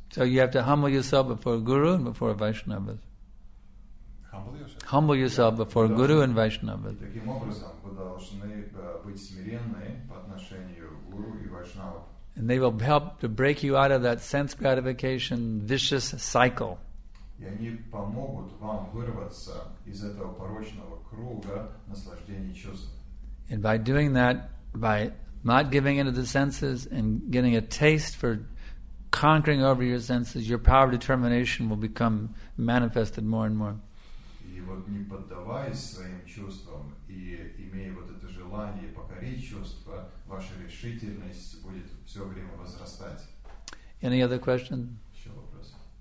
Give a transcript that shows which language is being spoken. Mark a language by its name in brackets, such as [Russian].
[English] So you have to humble yourself before Guru and before Vaishnavas. Humble yourself before Guru and Vaishnavas. [Russian] Таким образом, вы должны быть смиренны по отношению к Гуру и Вайшнавам. [English] And they will help to break you out of that sense gratification vicious cycle. [Russian] И они помогут вам вырваться из этого порочного круга наслаждений чувств. [English] And by doing that, by not giving into the senses and getting a taste for conquering over your senses, your power of determination will become manifested more and more. [Russian] И вот не поддаваясь своим чувствам и имея вот это желание покорить чувства, ваша решительность будет все время возрастать. [English] Any other question? [Russian] Еще вопрос.